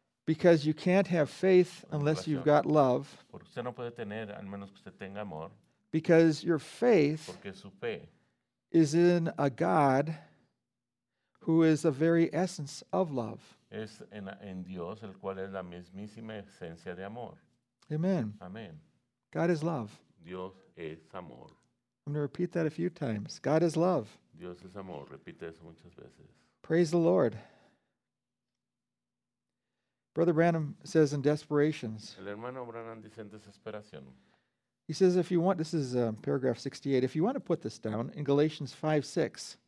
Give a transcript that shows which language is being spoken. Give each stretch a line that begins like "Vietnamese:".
English: Because you can't have faith unless you've got love.
Spanish: Porque usted no puede tener, al menos que usted tenga amor.
English: Because your faith
Spanish: porque su fe
English: is in a God who is the very essence of love.
Spanish: Es en Dios, el cual es la mismísima esencia de amor. Amen. Amen.
English: God is love.
Spanish: Dios es amor.
English: I'm going to repeat that a few times. God is love.
Spanish: Dios es amor. Repite eso muchas veces.
English: Praise the Lord. Brother Branham says in desperations,
Spanish: el hermano Branham dice en desesperación,
English: He says, if you want, this is paragraph 68, if you want to put this down, in Galatians 5, 6,